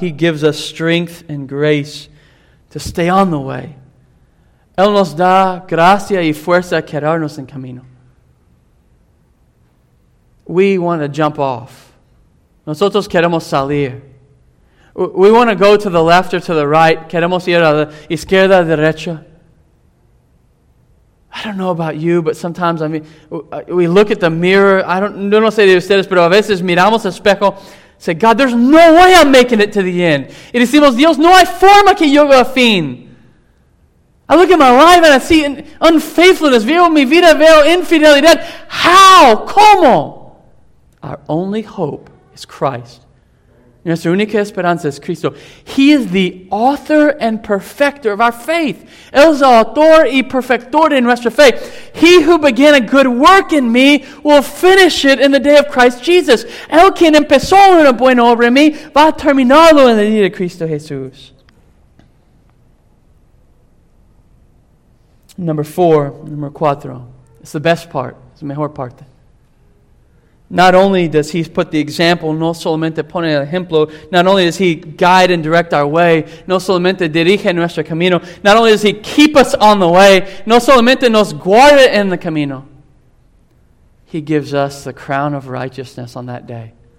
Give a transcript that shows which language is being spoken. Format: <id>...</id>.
<en>He gives us strength and grace to stay on the way.</en> <es>Él nos da gracia y fuerza a quedarnos en camino.</es> <en>We want to jump off.</en> <es>Nosotros queremos salir.</es> <en>We want to go to the left or to the right.</en> <es>Queremos ir a la izquierda, derecha.</es> <en>I don't know about you, but sometimes, I mean, we look at the mirror.</en> <es>No sé de ustedes, pero a veces miramos el espejo.</es> <en>Say, God, there's no way I'm making it to the end.</en> <es>Y decimos, Dios, no hay forma que llegue al fin.</es> <en>I look at my life and I see unfaithfulness.</en> <es>Veo mi vida, veo infidelidad.</es> <en>How?</en> <es>¿Cómo?</es> <en>Our only hope is Christ.</en> <es>Nuestra única esperanza es Cristo.</es> <en>He is the author and perfecter of our faith.</en> <es>Él es el autor y perfector de nuestra fe.</es> <en>He who began a good work in me will finish it in the day of Christ Jesus.</en> <es>Él quien empezó una buena obra en mí va a terminarlo en el día de Cristo Jesús. Número cuatro.</es> <en>It's the best part. It's the</en> <es>mejor parte.</es> <en>Not only does he put the example,</en> <es>no solamente pone el ejemplo,</es> <en>not only does he guide and direct our way,</en> <es>no solamente dirige nuestro camino,</es> <en>not only does he keep us on the way,</en> <es>no solamente nos guarda en el camino,</es> <en>he gives us the crown of righteousness on that day.</en>